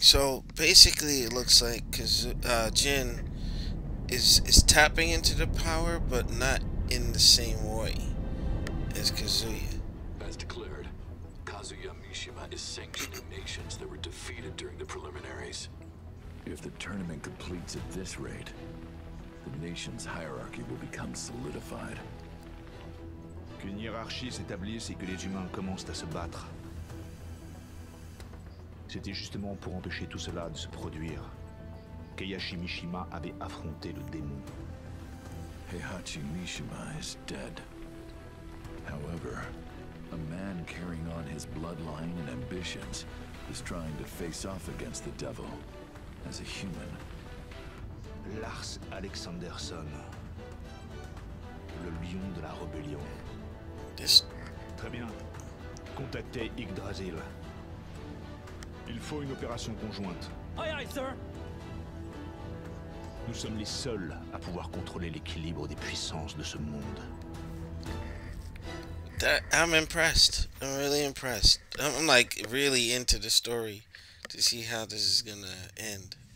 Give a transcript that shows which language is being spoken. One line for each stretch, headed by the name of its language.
English: So basically it looks like Jin is tapping into the power, but not in the same way as Kazuya. As declared, Kazuya Mishima is sanctioning nations that were defeated during the preliminaries. If the tournament completes at this rate, the nation's hierarchy will become solidified.
French: Qu'une hiérarchie s'établisse et que les humains commencent à se battre. C'était justement pour empêcher tout cela de se produire qu'Heihachi Mishima avait affronté le démon.
English: Heihachi Mishima is dead. However, a man carrying on his bloodline and ambitions is trying to face off against the devil as a human.
French: Lars Alexanderson, le lion de la rébellion.
English: This.
French: Très bien. Contactez Yggdrasil. Il faut une opération conjointe.
English: Aye, aye, sir.
French: Nous sommes les seuls à pouvoir contrôler l'équilibre des puissances de ce monde.
English: That, I'm impressed. I'm really impressed. I'm like really into the story to see how this is gonna end.